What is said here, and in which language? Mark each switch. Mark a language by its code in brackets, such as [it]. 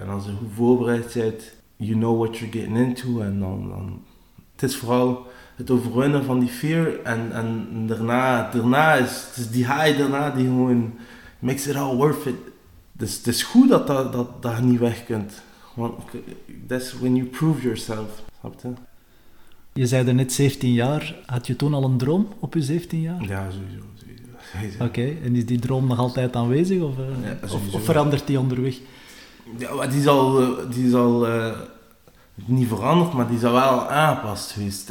[nl] En als je goed voorbereid bent, [en] you know what you're getting into. [nl] En dan het is vooral het overwinnen van die fear. En daarna is het die high daarna die gewoon [en] makes it all worth it. [nl] Dus het is goed dat je niet weg kunt. Want [en] that's when you prove yourself. [nl] Snap je? Je zei er net 17 jaar. Had je toen al een droom op je 17 jaar? Ja, sowieso. Oké, en is die droom nog altijd aanwezig of verandert die onderweg? Ja, die is al niet veranderd, maar die is al wel aangepast geweest.